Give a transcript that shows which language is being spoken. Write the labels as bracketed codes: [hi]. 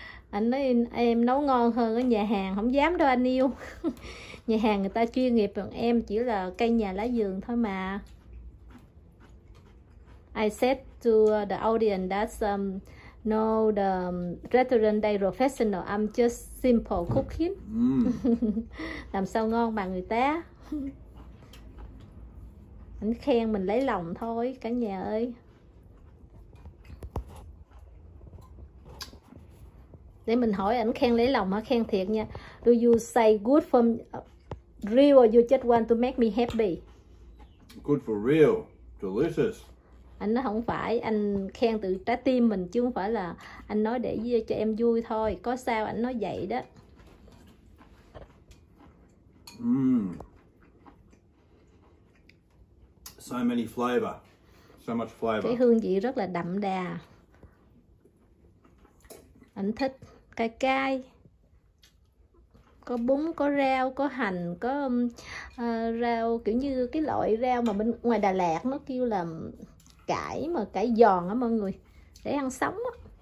[vi] Anh nói em nấu ngon hơn ở nhà hàng. Không dám đâu anh yêu. Nhà hàng người ta chuyên nghiệp, còn em chỉ là cây nhà lá vườn thôi mà. [en] I said to the audience that no, the restaurant day professional, I'm just simple cooking. [vi] Làm sao ngon bằng người ta. Anh khen mình lấy lòng thôi cả nhà ơi. Để mình hỏi ảnh khen lấy lòng hả, khen thiệt nha. [en] Do you say good for real or you just want to make me happy? Good for real, delicious. [vi] Anh nói không phải, anh khen từ trái tim mình chứ không phải là anh nói để cho em vui thôi. Có sao anh nói vậy đó. [en] So many flavor, so much flavor. [vi] Cái hương vị rất là đậm đà. Anh thích cay cay, có bún, có rau, có hành, có rau kiểu như cái loại rau mà bên ngoài Đà Lạt nó kêu là cải, mà cải giòn á mọi người, để ăn sống á.